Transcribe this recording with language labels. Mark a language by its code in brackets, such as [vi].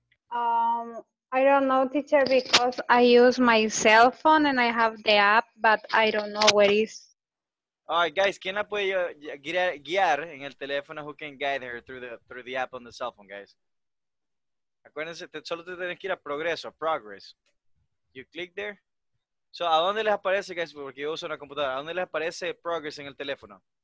[en] I don't know, teacher, because I use my cell phone and I have the app, but I don't know where it is. All right, guys, [es] ¿quién la puede guiar en el teléfono? [en] Who can guide her through the app on the cell phone, guys? [es] Acuérdense, solo te tienes que ir a progreso, progress. [en] You click there. [es] So, ¿a dónde les aparece, guys? Porque yo uso una computadora. ¿A dónde les aparece progress en el teléfono?